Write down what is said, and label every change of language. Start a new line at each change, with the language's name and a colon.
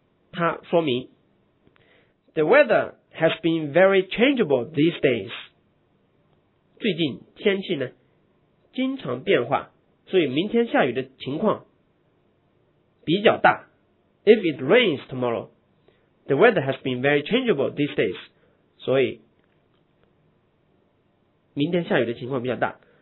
Chinese: 它说明
English: the weather has been very changeable these days.
Chinese: 最近天气呢经常变化，所以明天下雨的情况比较大。
English: If it rains tomorrow, the weather has been very changeable these days,
Chinese: 所以明天下雨的情况比较大。